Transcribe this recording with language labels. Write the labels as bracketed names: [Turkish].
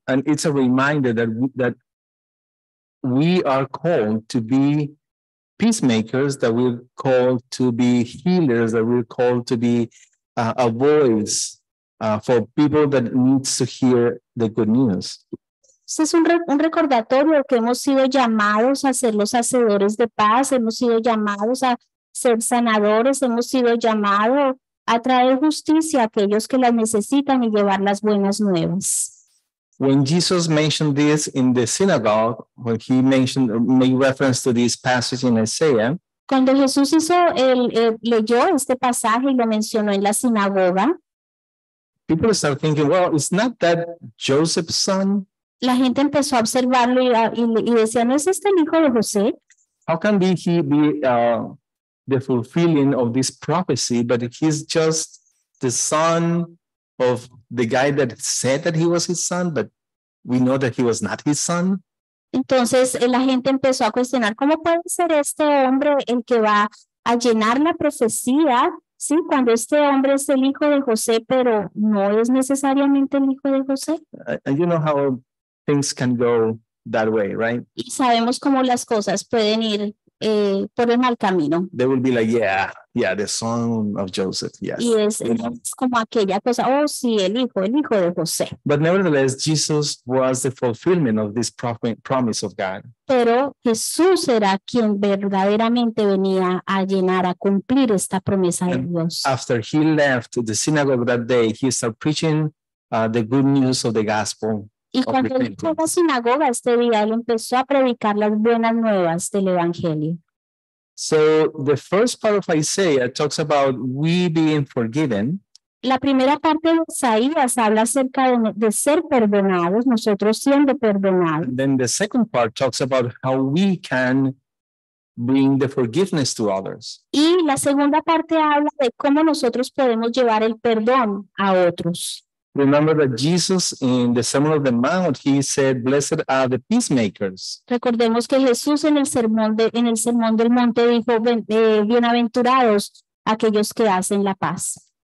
[English] And it's a reminder that we are called to be peacemakers, that we're called to be healers, that we're called to be a voice for people that needs to hear the good news. [Spanish] Es un recordatorio que hemos sido llamados a ser los hacedores de paz, hemos sido llamados a ser sanadores, hemos sido llamados a traer justicia a aquellos que las necesitan y llevar las buenas nuevas. [English] When Jesus mentioned this in the synagogue, when he mentioned, made reference to this passage in Isaiah, [Spanish] cuando Jesús hizo leyó este pasaje y lo mencionó en la sinagoga, [English] people start thinking, well, it's not that Joseph's son. [Spanish] La gente empezó a observarlo y decía, ¿no es este el hijo de José? [English] How can he be the fulfilling of this prophecy, but he's just the son of the guy that said that he was his son, but we know that he was not his son? [Spanish] Entonces la gente empezó a cuestionar, ¿cómo puede ser este hombre el que va a llenar la profecía? Sí, cuando este hombre es el hijo de José, pero no es necesariamente el hijo de José. [English] And you know how things can go that way, right? [Spanish] Y sabemos cómo las cosas pueden ir por el mal camino. [English] They will be like, yeah, the son of Joseph, yes. [Spanish] Y es como aquella cosa, oh sí, el hijo de José. [English] But nevertheless, Jesus was the fulfillment of this promise of God. [Spanish] Pero Jesús era quien verdaderamente venía a llenar, a cumplir esta promesa de Dios. [English] After he left the synagogue that day, he started preaching the good news of the gospel. [Spanish] Y cuando él fue a la sinagoga este día, él empezó a predicar las buenas nuevas del Evangelio. [English] So, the first part of Isaiah talks about we being forgiven. [Spanish] La primera parte de Isaías habla acerca de ser perdonados, nosotros siendo perdonados. [English] And then the second part talks about how we can bring the forgiveness to others. [Spanish] Y la segunda parte habla de cómo nosotros podemos llevar el perdón a otros. [English] Remember that Jesus in the Sermon of the Mount, he said, "Blessed are the peacemakers." [Spanish] Recordemos que Jesús en el sermón del monte dijo, "Bienaventurados aquellos que hacen la paz."